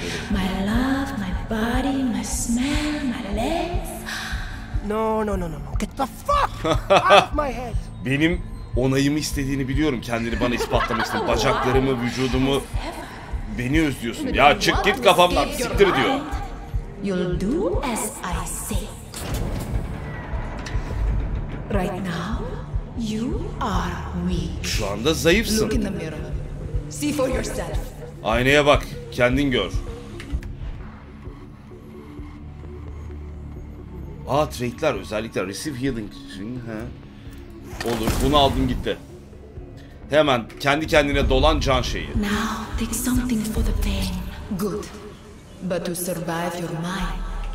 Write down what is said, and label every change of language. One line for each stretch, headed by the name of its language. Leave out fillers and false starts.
English: My love, my body, my smell, my legs. No. Get the fuck out of my head.
Turkish: Benim onayımı istediğini biliyorum. Kendini bana ispatlamışsın. Bacaklarımı, vücudumu, beni özlüyorsun. Ya çık git kafamdan, siktir diyor.
English: You'll do as I say. Right now, you are weak.
Turkish: Şu anda zayıfsın.
English: Look in the mirror. See for yourself.
Turkish: Aynaya bak, kendin gör. Trait'ler, özellikler,
English: receive healing.
Turkish: Olur, bunu aldım gitti. Hemen kendi kendine dolan can şeyi.
English: Now, take something for the pain. Good. But to survive your mind.